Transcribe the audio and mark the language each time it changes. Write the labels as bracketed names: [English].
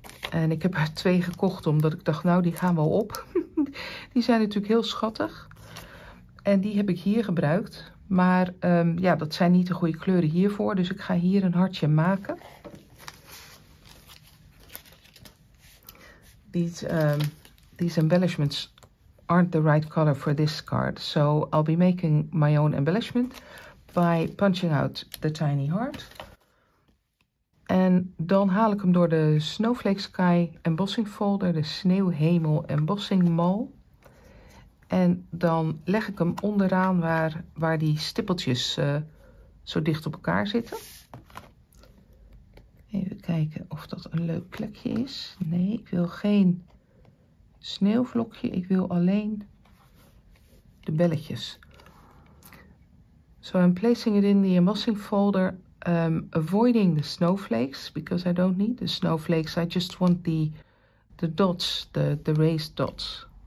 [Dutch] En ik heb er twee gekocht omdat ik dacht, nou, die gaan wel op. Die zijn natuurlijk heel schattig. En die heb ik hier gebruikt. Maar ja, dat zijn niet de goede kleuren hiervoor. Dus ik ga hier een hartje maken. [English] These embellishments aren't the right color for this card. So I'll be making my own embellishment by punching out the tiny heart. [Dutch] En dan haal ik hem door de Snowflake Sky embossing folder, de sneeuwhemel embossing mal. En dan leg ik hem onderaan waar die stippeltjes zo dicht op elkaar zitten. Even kijken of dat een leuk plekje is. Nee, ik wil geen sneeuwvlokje, ik wil alleen de belletjes. [English] So I'm placing it in the embossing folder, avoiding the snowflakes, because I don't need the snowflakes. I just want the dots, the raised dots.